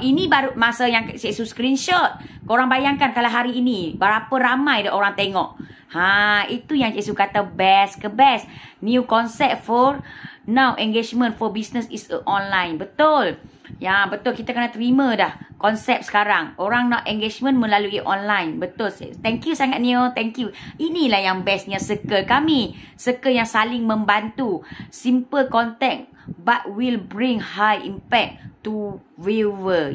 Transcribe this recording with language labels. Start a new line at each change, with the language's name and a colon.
Malay: Ini baru masa yang Cik Su screenshot. Korang bayangkan kalau hari ini berapa ramai dia orang tengok. Ha, itu yang Cik Su kata best ke best.
English: New concept for now, engagement for business is online.
Malay: Betul. Ya, betul, kita kena terima dah konsep sekarang. Orang nak engagement melalui online. Betul.
English: Thank you
Malay: sangat
English: Neo, thank you.
Malay: Inilah yang bestnya circle kami. Circle yang saling membantu.
English: Simple content but will bring high impact to viewer.